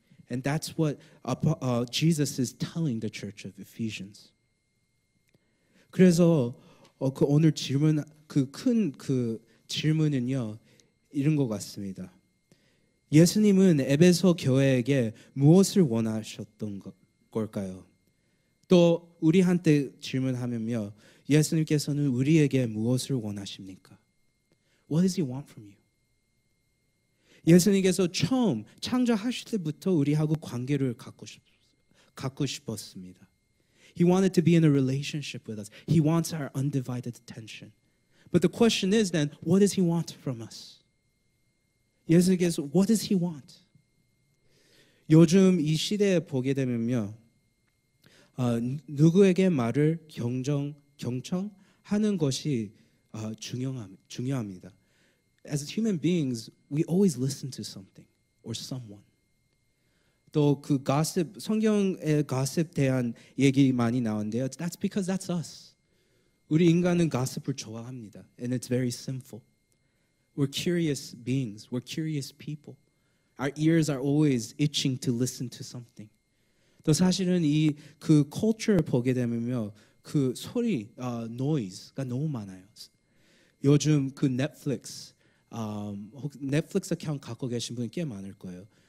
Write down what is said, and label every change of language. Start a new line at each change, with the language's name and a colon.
English: And that's what Jesus is telling the church of Ephesians.
Korean: 그래서 그 오늘 질문 그 큰 그 질문은요 이런 것 같습니다. 예수님은 에베소 교회에게 무엇을 원하셨던 걸까요? 또 우리한테 질문하면요. 예수님께서는 우리에게 무엇을 원하십니까?
English: What does he want from you?
Korean: 예수님께서 처음 창조하실 때부터 우리하고 관계를 갖고 싶었습니다.
English: He wanted to be in a relationship with us. He wants our undivided attention. But the question is then, what does he want from us? 예수님께서 what does he want?
Korean: 요즘 이 시대에 보게 되면요. 누구에게 말을 경청하는 것이 중요합니다.
English: As human beings, we always listen to something or someone.
Korean: 또 그 gossip, 성경의 gossip 대한 얘기 많이 나오는데요.
English: That's because that's us.
Korean: 우리 인간은 가십을 좋아합니다.
English: And it's very sinful. We're curious beings. We're curious people. Our ears are always itching to listen to something.
Korean: 또 사실은 이 그 culture 보게 되면요, 그 소리 noise가 너무 많아요. 요즘 그 Netflix Netflix 아카운트 갖고 계신 분 꽤 많을 거예요.